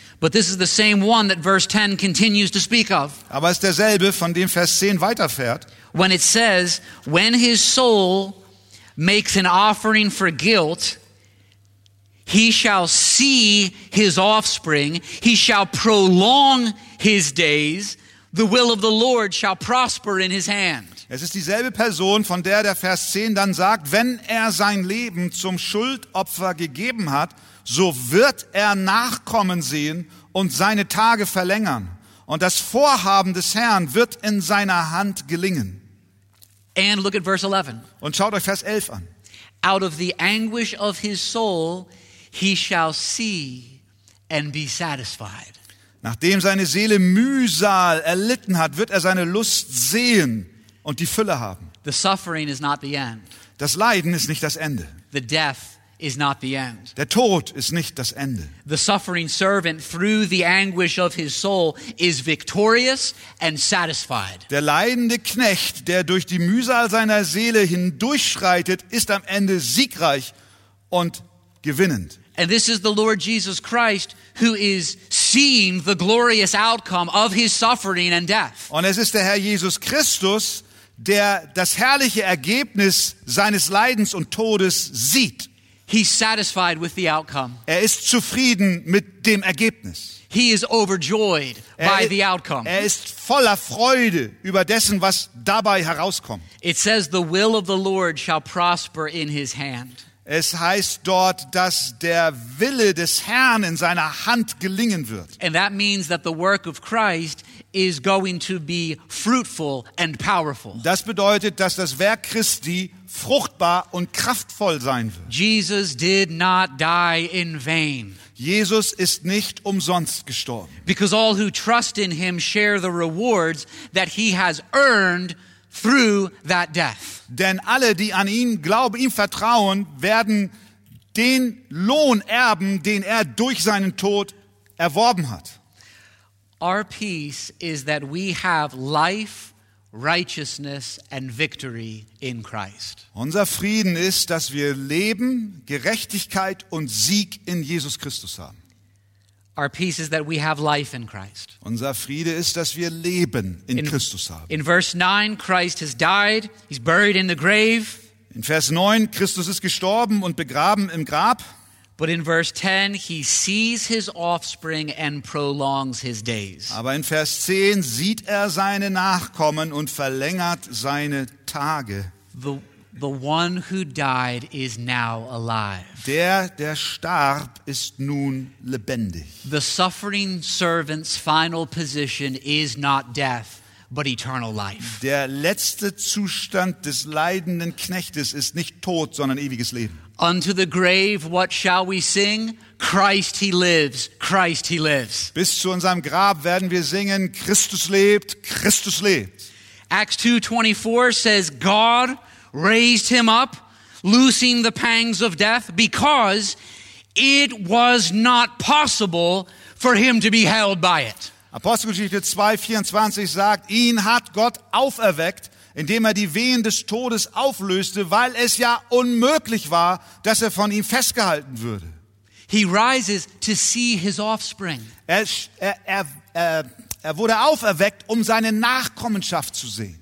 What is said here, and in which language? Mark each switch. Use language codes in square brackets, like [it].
[en] But this is the same one that verse 10 continues to speak of. [de] Aber es ist derselbe, von dem Vers 10 weiterfährt. [en] When it says, when his soul makes an offering for guilt, he shall see his offspring, he shall prolong his days, the will of the Lord shall prosper in his hand. [de] Es ist dieselbe Person, von der Vers 10 dann sagt, wenn er sein Leben zum Schuldopfer gegeben hat, so wird er Nachkommen sehen und seine Tage verlängern. Und das Vorhaben des Herrn wird in seiner Hand gelingen. [en] And look at verse 11. [de] Und schaut euch Vers 11 an. [en] Out of the anguish of his soul, he shall see and be satisfied. [de] Nachdem seine Seele Mühsal erlitten hat, wird er seine Lust sehen und die Fülle haben. [en] The suffering is not the end. [de] Das Leiden ist nicht das Ende. [en] The death is not the end. [de] Der Tod ist nicht das Ende. [en] The suffering servant through the anguish of his soul is victorious and satisfied. [de] Der leidende Knecht, der durch die Mühsal seiner Seele hindurchschreitet, ist am Ende siegreich und gewinnend. [en] And this is the Lord Jesus Christ who is seeing the glorious outcome of his suffering and death. [de] Und es ist der Herr Jesus Christus, der das herrliche Ergebnis seines Leidens und Todes sieht. [en] He's satisfied with the outcome. [de] Er ist zufrieden mit dem Ergebnis. [en] He is overjoyed by the outcome. [de] Er ist voller Freude über dessen, was dabei herauskommt. [en] It says the will of the Lord shall prosper in his hand. [de] Es heißt dort, dass der Wille des Herrn in seiner Hand gelingen wird. [en] And that means that the work of Christ is going to be fruitful and powerful. [de] Das bedeutet, dass das Werk Christi fruchtbar und kraftvoll sein wird. [en] Jesus did not die in vain. [de] Jesus ist nicht umsonst gestorben. [en] Because all who trust in him share the rewards that he has earned through that death. [de] Denn alle, die an ihn glauben, ihm vertrauen, werden den Lohn erben, den er durch seinen Tod erworben hat. [en] Our peace is that we have life, righteousness and victory in Christ. [de] Unser Frieden ist, dass wir Leben, Gerechtigkeit und Sieg in Jesus Christus haben. [en] Our peace is that we have life in Christ. [de] Unser Friede ist, dass wir Leben in Christus haben. [en] In verse 9, Christ has died, he's buried in the grave. [de] In Vers 9, Christus ist gestorben und begraben im Grab. [en] But in verse 10, he sees his offspring and prolongs his days. [de] Aber in Vers 10 sieht er seine Nachkommen und verlängert seine Tage. [en] The one who died is now alive. [de] Der starb, ist nun lebendig. [en] The suffering servant's final position is not death, but eternal life. [de] Der letzte Zustand des leidenden Knechtes ist nicht Tod, sondern ewiges Leben. [en] Unto the grave, what shall we sing? Christ he lives, Christ he lives. [de] Bis zu unserem Grab werden wir singen, Christus lebt, Christus lebt. [en] Acts 2:24 says, God raised him up, loosing the pangs of death, because it was not possible for him to be held by it. [de] Apostelgeschichte 2:24 sagt, ihn hat Gott auferweckt, indem er die Wehen des Todes auflöste, weil es ja unmöglich war, dass er von ihm festgehalten würde. [en] He rises to see his offspring. [de] Er wurde auferweckt, um seine Nachkommenschaft zu sehen.